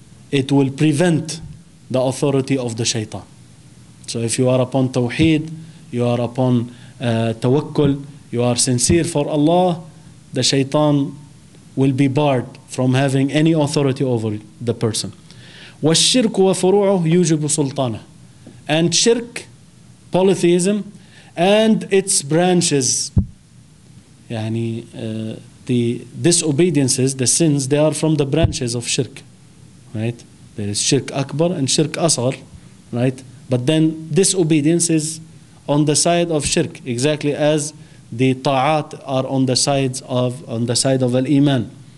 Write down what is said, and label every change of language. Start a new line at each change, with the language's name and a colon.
English: It will prevent the authority of the shaitan. So if you are upon tawheed, you are upon tawakkul, you are sincere for Allah, the shaitan will be barred from having any authority over the person.
Arabic: والشرك وفروعه يوجب سلطانه.
English: And shirk, polytheism, and its branches, يعني the disobediences, the sins, they are from the branches of shirk, right? There is shirk akbar and shirk asghar, right? But then disobedience is on the side of shirk, exactly as the ta'at are on the sides of on the side of al-iman.